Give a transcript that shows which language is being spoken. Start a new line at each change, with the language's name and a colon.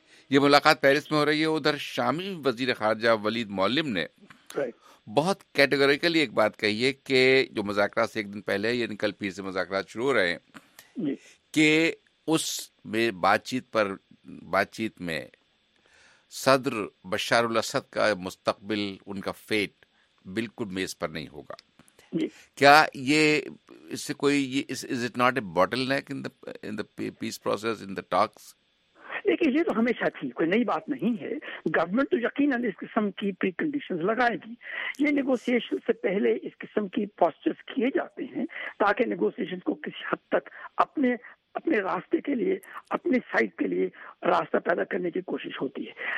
Urdu: یہ ملاقات پیرس میں ہو رہی ہے. ادھر شامی وزیر خارجہ ولید مولم نے بہت کیٹیگوریکلی ایک بات کہی ہے کہ جو مذاکرات سے ایک دن پہلے یعنی کل پیر سے مذاکرات شروع ہو رہے ہیں کہ اس میں بات چیت میں صدر بشار الاسد کا مستقبل, ان کا فیٹ بالکل میز پر نہیں ہوگا. کیا یہ اس سے کوئی
English: Is it not a bottleneck in the peace process in the talks?
Urdu: دیکھیے, یہ تو ہمیشہ تھی, کوئی نئی بات نہیں ہے. گورنمنٹ تو یقیناً اس قسم کی پری کنڈیشنز لگائے گی. یہ نیگوسیشن سے پہلے اس قسم کی پوسچرز کیے جاتے ہیں تاکہ نیگوسیشن کو کسی حد تک اپنے راستے کے لیے, اپنے سائڈ کے لیے راستہ پیدا کرنے کی کوشش ہوتی ہے.